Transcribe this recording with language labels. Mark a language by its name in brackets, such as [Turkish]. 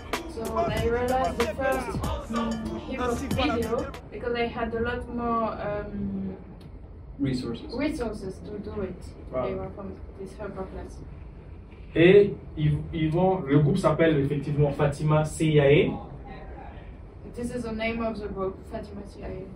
[English] So they realized the first hip-hop video because they had a lot more resources to do it. Wow. They were from this hip-hop class. [French] Et le groupe s'appelle effectivement Fatima CIA. [English] This is the name of the group, Fatima CIA.